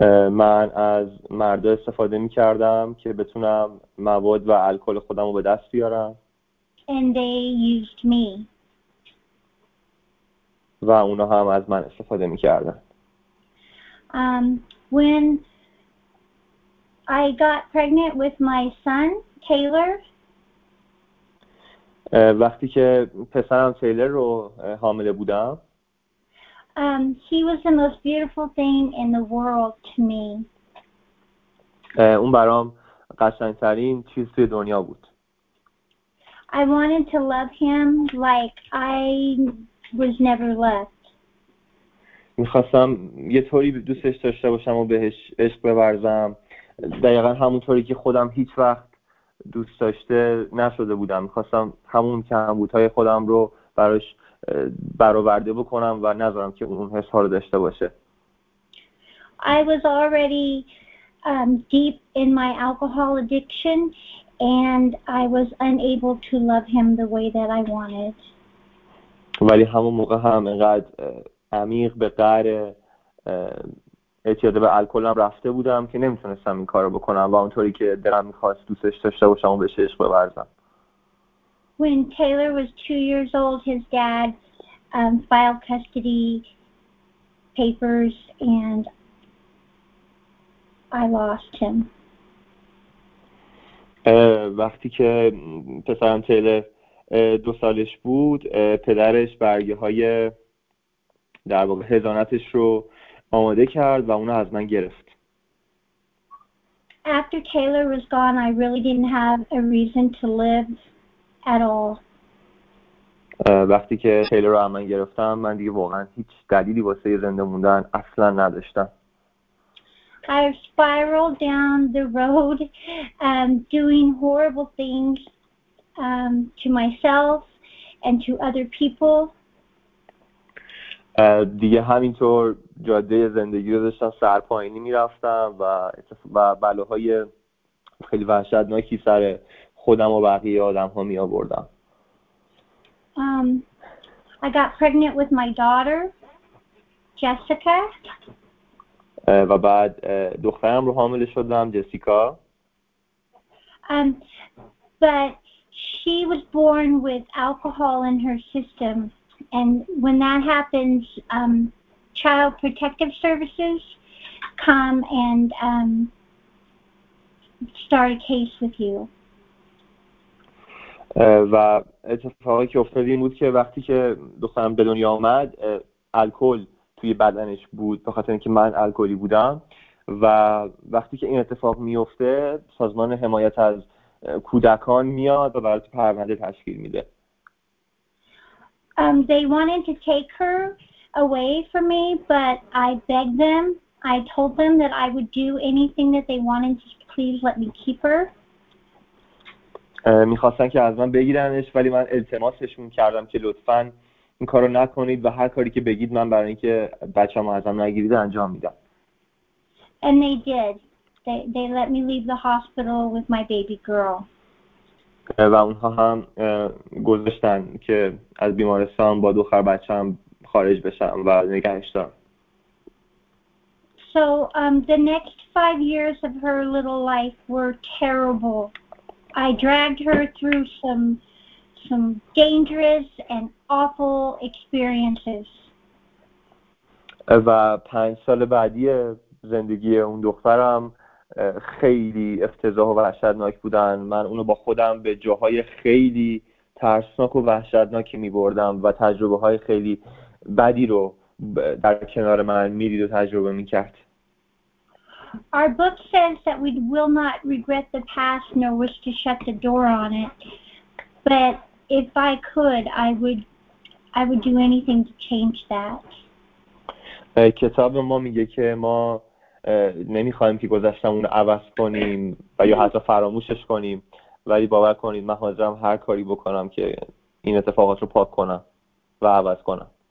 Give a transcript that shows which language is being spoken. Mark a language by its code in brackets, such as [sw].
[fa] من از مردا استفاده می‌کردم که بتونم مواد و الکل خودم رو به دست بیارم. [en] And they used me. [fa] و اونا هم از من استفاده می‌کردن. [en] When I got pregnant with my son, Taylor. [fa] وقتی که پسرم تیلر رو حامله بودم. [en] He was the most beautiful thing in the world to me. [fa] اون برام قشنگ‌ترین چیز توی دنیا بود. [en] I wanted to love him like I was never loved. [fa] می‌خواستم یه طوری دوستش داشته باشم و بهش عشق بورزم دقیقا همونطوری که خودم هیچ وقت دوست داشته نشده بودم. می‌خواستم همون کمبودهای خودم رو براش برآورده بکنم و نذارم که اون حس‌ها رو داشته باشه. [en] I was already deep in my alcohol addiction and I was unable to love him the way that I wanted. [fa] ولی همون موقع هم انقدر عمیق به قهر اعتیاد به الکلم رفته بودم که نمیتونستم این کارو بکنم و اونطوری که دلم میخواست دوستش داشته باشم و بهش عشق ببرزم. [en] When Taylor was 2 years old his dad filed custody papers and I lost him. [fa] وقتی که پسرم تیلر 2 سالش بود پدرش برگه‌های در واقع هزانتش رو آماده کرد و اونو از من گرفت. [en] After Taylor was gone, I really didn't have a reason to live at all. [fa] وقتی که تیلر رو از من گرفتم من دیگه واقعا هیچ دلیلی واسه زنده موندن اصلا نداشتم. [en] I spiraled down the road doing horrible things to myself and to other people. [fa] دیگه همینطور جاده زندگی رو داشتم سر پایینی میرفتم و بلاهای خیلی وحشتناکی سر خودم و بقیه آدم ها می آوردم. [en] I got pregnant with my daughter, Jessica. [fa] و بعد دخترم رو حامل شدم، جسیکا. [en] But she was born with alcohol in her system. And when that happens, Child Protective Services come and start a case with you. [fa] و اتفاقی که افتاد این بود که وقتی که دخترم به دنیا آمد الکل توی بدنش بود، به خاطر اینکه من الکلی بودم، و وقتی که این اتفاق میفته سازمان حمایت از کودکان میاد و برای پرونده تشکیل میده. [en] They wanted to take her away from me, but I begged them. I told them that I would do anything that they wanted, just please let me keep her. [fa] میخواستن که از من بگیرنش، ولی من التماسشون کردم که لطفاً این کارو نکنید و هر کاری که بگید من برای اینکه بچه‌مو از من نگیرید انجام میدم. [en] And they did. They let me leave the hospital with my baby girl. [fa] و اونها هم گذاشتن که از بیمارستان با دختر بچه‌ام خارج بشم و نگهش دارم. [en] So the next 5 years of her little life were terrible. I dragged her through some dangerous and awful experiences. [fa] و 5 سال بعدی زندگی اون دخترم خیلی افتضاح و وحشتناک بودن. من اونو با خودم به جاهای خیلی ترسناک و وحشتناکی می‌بردم و تجربه های خیلی بدی رو در کنار من می‌دید و تجربه می‌کرد. [en] Our book says that we will not regret the past nor wish to shut the door on it. But if I could, I would do anything to change that. [fa] کتاب ما میگه که ما نمیخوایم که گذشتمون رو عوض کنیم و یا حتی فراموشش کنیم، ولی باور کنید من حاضرم هر کاری بکنم که این اتفاقات رو پاک کنم و عوض کنم.